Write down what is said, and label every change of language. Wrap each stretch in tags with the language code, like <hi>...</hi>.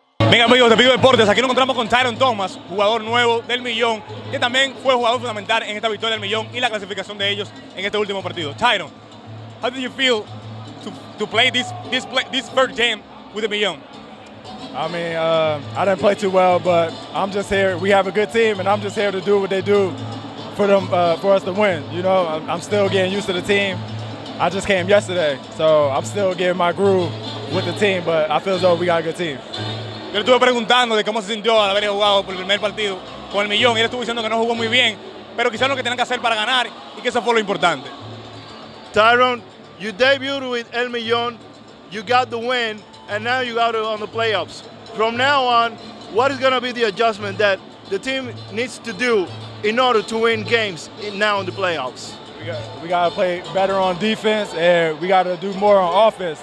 <es>Venga amigos de Pido Deportes, aquí nos encontramos con Tyron Thomas, jugador nuevo del Millón, que también fue jugador fundamental en esta victoria del Millón y la clasificación de ellos en este último partido.</es> <en>Tyron, how did you feel to play this first game with the Millón? I mean, I didn't play too well, but I'm just here. We have a good team, and I'm just here to do what they do for them, for us to win. You know, I'm still getting used to the team. I just came yesterday, so I'm still getting my groove with the team. But I feel as though we got a good team.</en> <es>Yo le estuve preguntando de cómo se sintió al haber jugado por el primer partido con el Millón. Él estuvo diciendo que no jugó muy bien, pero quizás lo que tenían que hacer para ganar y que eso fue lo importante.</es> <en>Tyron, you debuted with El Millón, you got the win, and now you got it on the playoffs. From now on, what is going to be the adjustment that the team needs to do in order to win games now in the playoffs? We got to play better on defense, and we got to do more on offense.</en>